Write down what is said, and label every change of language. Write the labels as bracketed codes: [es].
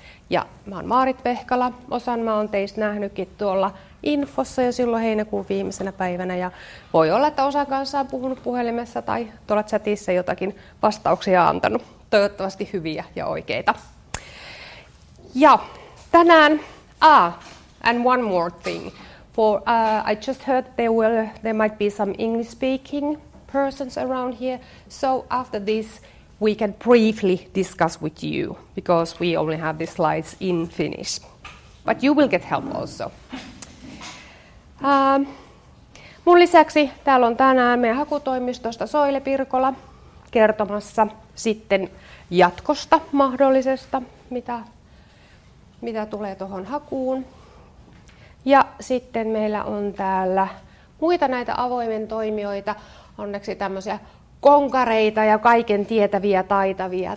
[fi] Ja mä oon Maarit Vehkala. Osan mä oon teistä nähnytkin tuolla infossa jo silloin heinäkuun viimeisenä päivänä. Ja voi olla, että osa kanssa on puhunut puhelimessa tai tuolla chatissa jotakin vastauksia antanut. Toivottavasti hyviä ja oikeita. Ja tänään... [en] And one more thing. I just heard there might be some English-speaking persons around here. So after this, we can briefly discuss with you, because we only have the slides in Finnish. But you will get help also. [fi] Mun lisäksi täällä on tänään meidän hakutoimistosta Soile Pirkola kertomassa sitten jatkosta mahdollisesta, mitä tulee tuohon hakuun. Ja sitten meillä on täällä muita näitä avoimen toimijoita, onneksi tämmöisiä konkareita ja kaiken tietäviä, taitavia.